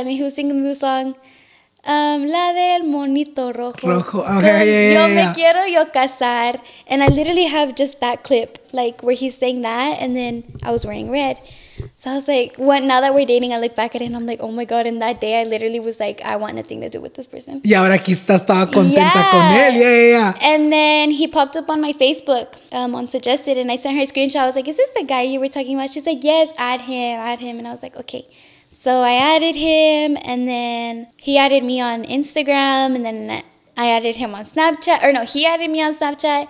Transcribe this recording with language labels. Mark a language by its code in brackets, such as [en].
[en] And he was singing the song, La del monito rojo. Rojo. Okay, yeah. [es] Yo me quiero yo casar. [en] And I literally have just that clip, like, where he's saying that. And then I was wearing red. So I was like, what? Now that we're dating, I look back at it and I'm like, oh my God. And that day, I literally was like, I want nothing to do with this person. [es] Y ahora aquí estás toda contenta con él. [en] Yeah, yeah, yeah. And then he popped up on my Facebook, unsuggested. And I sent her a screenshot. I was like, is this the guy you were talking about? She's like, yes, add him, add him. And I was like, okay. So I added him. And then he added me on Instagram. And then I added him on Snapchat. Or no, he added me on Snapchat.